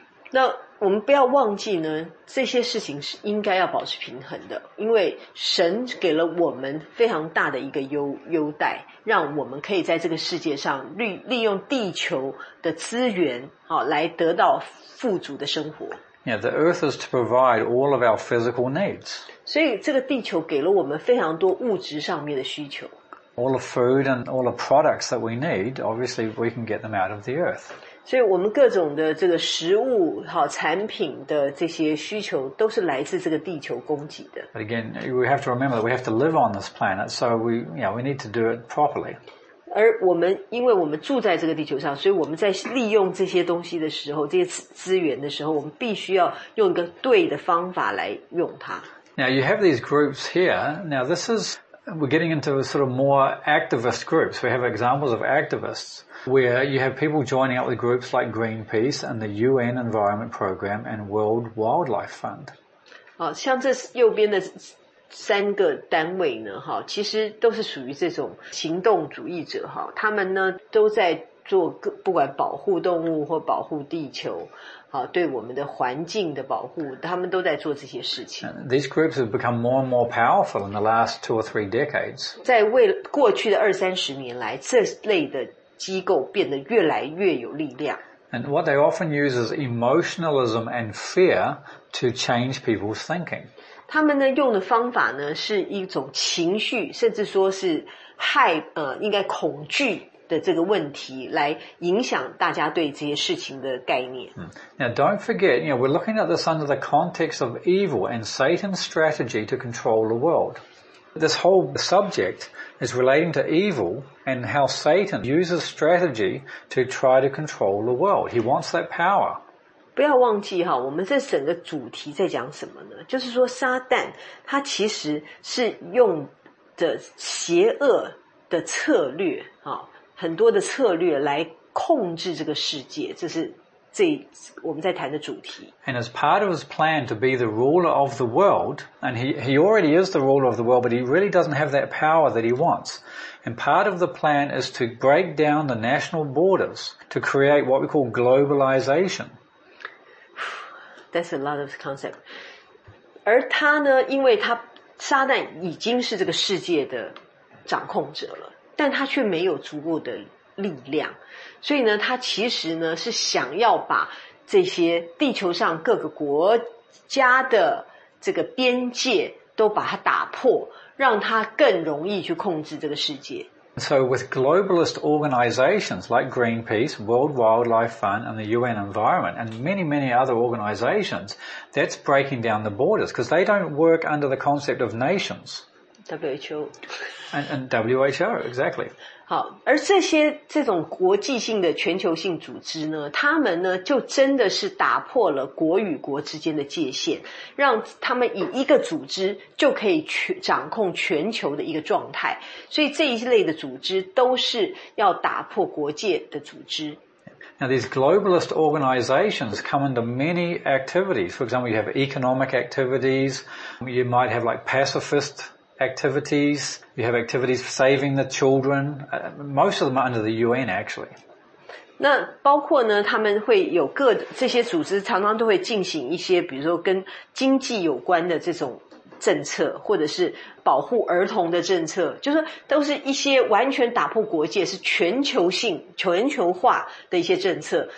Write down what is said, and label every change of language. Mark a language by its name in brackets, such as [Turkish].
[Chinese] 那我们不要忘记呢，这些事情是应该要保持平衡的，因为神给了我们非常大的一个优待，让我们可以在这个世界上利用地球的资源，好，来得到富足的生活。 [English] Yeah, the earth is to provide all of our physical needs. [Chinese] 所以这个地球给了我们非常多物质上面的需求。 [English] All the food and all the products that we need, obviously we can get them out of the earth. [Chinese] 所以我们各种的这个食物、好产品的这些需求都是来自这个地球供给的。 [English] But again, we have to remember that we have to live on this planet, so we need to do it properly. [Chinese] 而我们因为我们住在这个地球上，所以我们在利用这些东西的时候，这些资源的时候，我们必须要用一个对的方法来用它。 [English] Now you have these groups here. Now this is, we're getting into a sort of more activist groups. We have examples of activists where you have people joining up with groups like Greenpeace and the UN Environment Program and World Wildlife Fund. [Chinese] 像这右边的三个单位呢，其实都是属于这种行动主义者，他们呢都在做不管保护动物或保护地球，对我们的环境的保护，他们都在做这些事情。 [English] These groups have become more and more powerful in the last two or three decades. [Chinese] 在过去的二三十年来，这类的机构变得越来越有力量。 [English] And what they often use is emotionalism and fear to change people's thinking. [Chinese] 他们呢用的方法呢是一种情绪，甚至说是应该恐惧的这个问题，来影响大家对这些事情的概念。 [English] Now don't forget, you know, we're looking at this under the context of evil and Satan's strategy to control the world. This whole subject is relating to evil and how Satan uses strategy to try to control the world. He wants that power. [Chinese] 不要忘记哈，我们这整个主题在讲什么呢？就是说，撒旦他其实是用的邪恶的策略啊，很多的策略来控制这个世界，这是这我们在谈的主题。 [English] And as part of his plan to be the ruler of the world, and he already is the ruler of the world, but he really doesn't have that power that he wants. And part of the plan is to break down the national borders to create what we call globalization. That's a lot of concept. [Chinese] 而他呢，因为他撒旦已经是这个世界的掌控者了，但他却没有足够的力量，所以呢，他其实呢是想要把这些地球上各个国家的这个边界都把它打破，让他更容易去控制这个世界。 [English] So with globalist organizations like Greenpeace, World Wildlife Fund, and the UN Environment, and many, many other organizations, that's breaking down the borders, because they don't work under the concept of nations. WHO. And WHO, exactly. [Chinese] 好，而这些这种国际性的全球性组织呢，他们呢就真的是打破了国与国之间的界限，让他们以一个组织就可以掌控全球的一个状态。所以这一类的组织都是要打破国界的组织。 [English] Now these globalist organizations come into many activities. For example, you have economic activities. You might have like pacifist activities. You have activities saving the children. Most of them are under the UN actually. [Chinese] 那包括呢，他们会有各这些组织常常都会进行一些比如说跟经济有关的这种政策，或者是保护儿童的政策，就是都是一些完全打破国界，是全球性、全球化的一些政策。